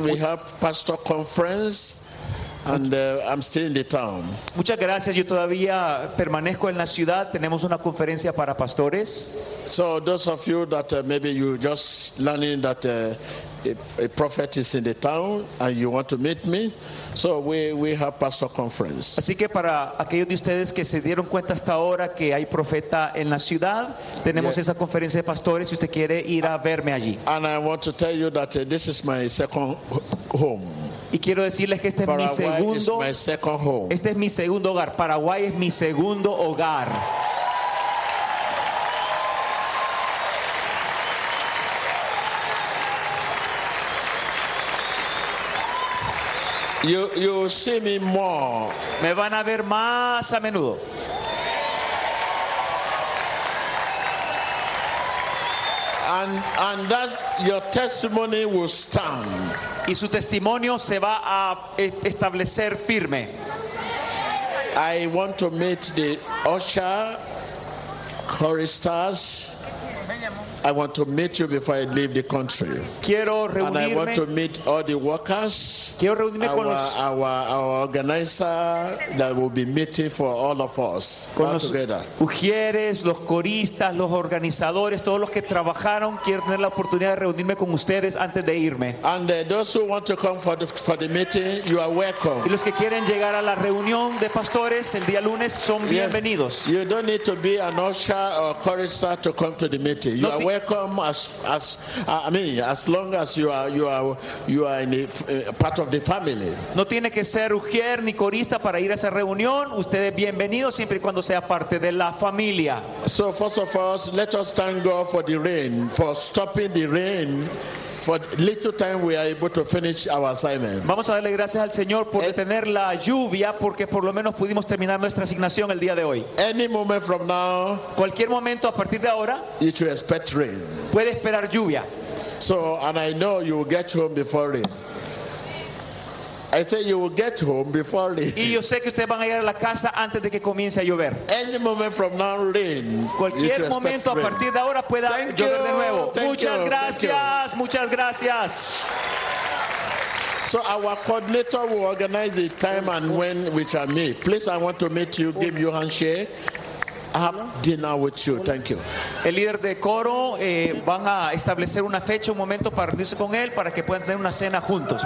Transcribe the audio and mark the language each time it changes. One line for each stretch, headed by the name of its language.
English: We have pastor conference and I'm still in the town.
Spanish: Muchas gracias. Yo todavía permanezco en la ciudad. Tenemos una conferencia para pastores.
English: So those of you that maybe you just learning that a prophet is in the town and you want to meet me, so we have pastor conference.
Spanish: Así que para aquellos de ustedes que se dieron cuenta hasta ahora que hay profeta en la ciudad, tenemos esa conferencia de pastores. Si usted quiere ir a verme allí.
English: And I want to tell you that this is my second home.
Spanish: Y quiero decirles que este
English: Paraguay
Spanish: es mi segundo.
English: Paraguay is my second home.
Spanish: Este es mi segundo hogar. Paraguay es mi segundo hogar.
English: You see me more.
Spanish: Me van a ver más a menudo.
English: And that your testimony will stand.
Spanish: Y su testimonio se va a establecer firme.
English: I want to meet the usher, choristers. I want to meet you before I leave the country.
Spanish: Quiero reunirme.
English: And I want to meet all the workers.
Spanish: Quiero reunirme
English: our,
Spanish: con los,
English: our organizer that will be meeting for all of us.
Spanish: Con
English: all
Spanish: los
English: together.
Spanish: Mujeres, los coristas, los organizadores, todos los que trabajaron, quiero tener la oportunidad de reunirme con ustedes antes de irme.
English: And those who want to come for the meeting, you are welcome.
Spanish: Y los que quieren llegar a la reunión de pastores el día lunes son bienvenidos.
English: You don't need to be an usher or chorister to come to the meeting. You are welcome as long as you are in part of the family.
Spanish: No tiene que ser ujier ni corista para ir a esa reunión. Ustedes bienvenidos siempre y cuando sea parte de la familia.
English: So first of all, let us thank God for the rain, for stopping the rain. For little time we are able to finish our assignment.
Spanish: Vamos a darle gracias al Señor por detener la lluvia porque por lo menos pudimos terminar nuestra asignación el día de hoy.
English: Any moment from now,
Spanish: cualquier momento a partir de ahora,
English: you should expect rain.
Spanish: Puede esperar lluvia.
English: So, and I know you will get home before rain. I say you will get home before rain.
Spanish: Y yo sé que ustedes van a llegar a la casa antes de que comience a llover.
English: Any moment from now, rain.
Spanish: Cualquier momento a partir de ahora pueda llover de nuevo. Muchas gracias, muchas gracias.
English: So our coordinator will organize the time and when we shall meet. Please, I want to meet you, give you handshake. Have dinner with you. Thank you.
Spanish: El líder de coro van a establecer una fecha, un momento para reunirse con él para que puedan tener una cena juntos.